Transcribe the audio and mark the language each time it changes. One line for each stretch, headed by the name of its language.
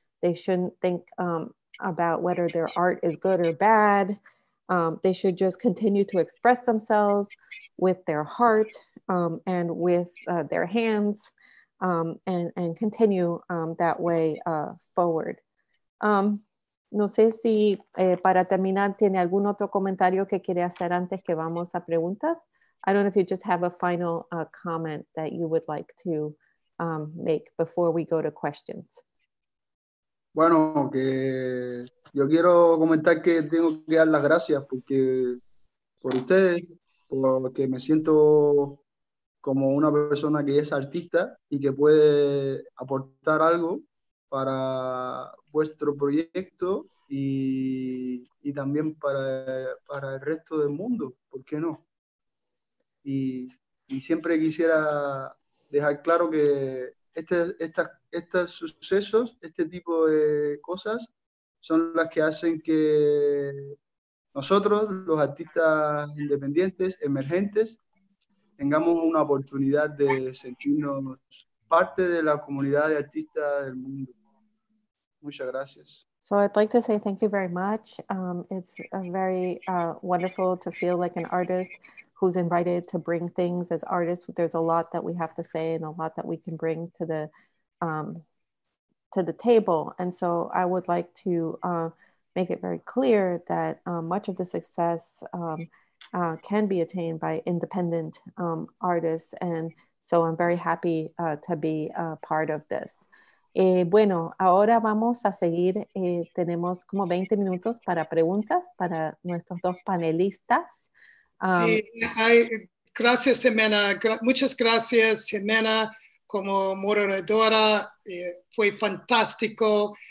English: They shouldn't think about whether their art is good or bad. They should just continue to express themselves with their heart and with their hands and continue that way forward.
Spanish: No sé si para terminar tiene algún otro comentario que quiere hacer antes que vamos a preguntas.
English: I don't know if you just have a final comment that you would like to make before we go to questions.
Spanish: Bueno, que yo quiero comentar que tengo que dar las gracias porque por ustedes, porque me siento como una persona que es artista y que puede aportar algo para vuestro proyecto y también para el resto del mundo, ¿por qué no? Y siempre quisiera dejar claro que estos sucesos, este tipo de cosas, son las que hacen que nosotros, los artistas independientes, emergentes, tengamos una oportunidad de sentirnos parte de la comunidad de artistas del mundo. Muchas gracias.
English: So I'd like to say thank you very much. It's a very wonderful to feel like an artist who's invited to bring things as artists. There's a lot that we have to say and a lot that we can bring to the table. And so I would like to make it very clear that much of the success can be attained by independent artists. And so I'm very happy to be a part of this.
Spanish: Bueno, ahora vamos a seguir. Tenemos como 20 minutos para preguntas para nuestros dos panelistas. Sí, Gracias, Jimena. Muchas gracias, Jimena, como moderadora. Fue fantástico.